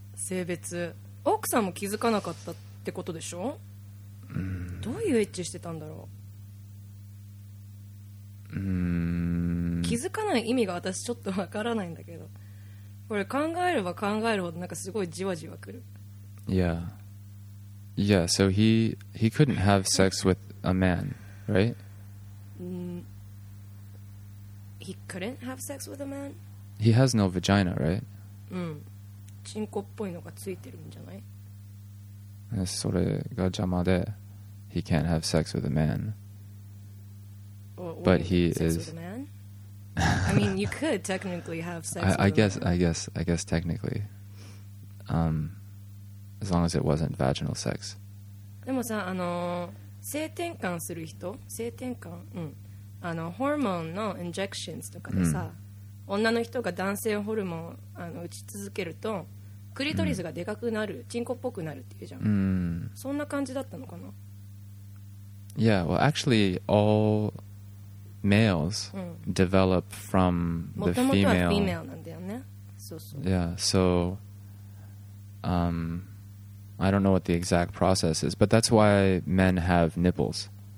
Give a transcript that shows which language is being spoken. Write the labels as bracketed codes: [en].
[ja] 性別、奥さんも気づかなかったってことでしょ。どういうエッチしてたんだろう。気づかない意味が私ちょっとわからないんだけど、これ考えれば考えるほどなんかすごいじわじわくる。 [en] Yeah. Yeah, so he couldn't have sex with a man, right? He couldn't have sex with a man? He has no vagina, right? [ja] チンコっぽいのがついてるんじゃない。 [en] それが邪魔で He can't have sex with a man. But he is. Sex with a man? I mean, you could technically have sex with a man. I guess technically. As long as it wasn't vaginal sex. [ja] でもさ、性転換する人、性転換、ホルモンのインジェクションとかでさ、女の人が男性ホルモン打ち続けると、クリトリスがでかくなる、チンコっぽくなるっていうじゃん。そんな感じだったのかな。 [en] Yeah, well, actually, all males develop from the female. [ja] もともとは female なんだよね。そうそう。 [en] Yeah, so I don't know what the exact process is, but that's why men have nipples.